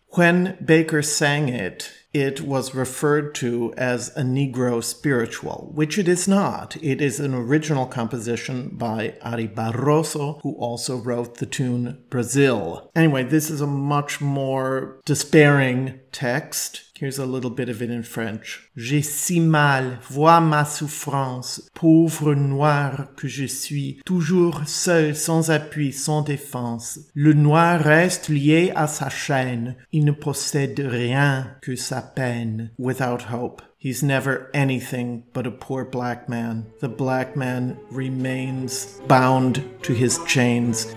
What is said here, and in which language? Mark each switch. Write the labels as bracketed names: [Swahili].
[English] When Baker sang it, it was referred to as a Negro spiritual, which it is not. It is an original composition by Ari Barroso, who also wrote the tune Brazil. Anyway, this is a much more despairing text. Here's a little bit of it in French. [French] J'ai si mal, vois ma souffrance, pauvre noir que je suis, toujours seul, sans appui, sans défense. Le noir reste lié à sa chaîne, il ne possède rien que sa peine. [English] Without hope. He's never anything but a poor black man. The black man remains bound to his chains.